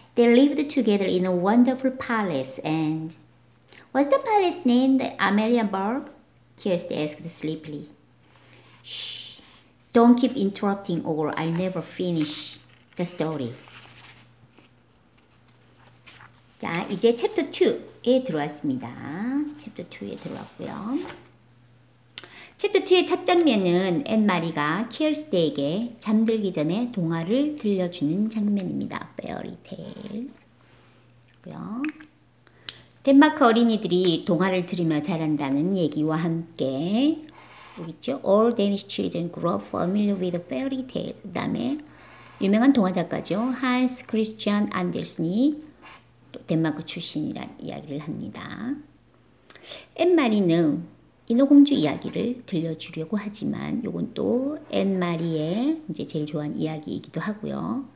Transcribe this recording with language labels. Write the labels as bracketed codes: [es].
[en] They lived together in a wonderful palace and... Was the palace named Amalienborg? Kirsty asked sleepily. Shh, don't keep interrupting or I'll never finish the story. [ko] 자, 이제 챕터 2에 들어왔습니다. 챕터 2에 들어왔고요. 챕터 2의 첫 장면은 앤 마리가 키어스테에게 잠들기 전에 동화를 들려주는 장면입니다. 페어리테일. 덴마크 어린이들이 동화를 들으며 자란다는 얘기와 함께 보겠죠? [en] All Danish children grew up familiar with fairy tales. [ko] 그 다음에 유명한 동화 작가죠. Hans Christian Andersen이 덴마크 출신이란 이야기를 합니다. 앤 마리는 인어공주 이야기를 들려주려고 하지만 이건 또 앤 마리의 이제 제일 좋아하는 이야기이기도 하고요.